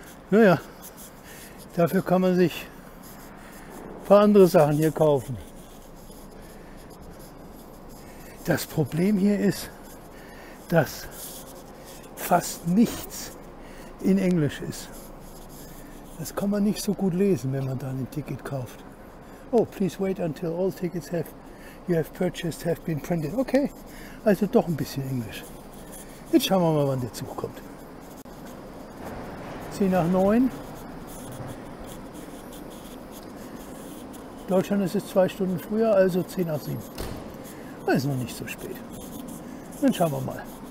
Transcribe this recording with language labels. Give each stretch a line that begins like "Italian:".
German: Naja, dafür kann man sich ein paar andere Sachen hier kaufen. Das Problem hier ist, dass fast nichts in Englisch ist. Das kann man nicht so gut lesen, wenn man dann ein Ticket kauft.
English: Oh, please wait until all tickets have been printed.
German: Okay, also doch ein bisschen Englisch. Jetzt schauen wir mal, wann der Zug kommt. 10:50. Deutschland ist es 2 Stunden früher, also 10:07. Das ist noch nicht so spät. Dann schauen wir mal.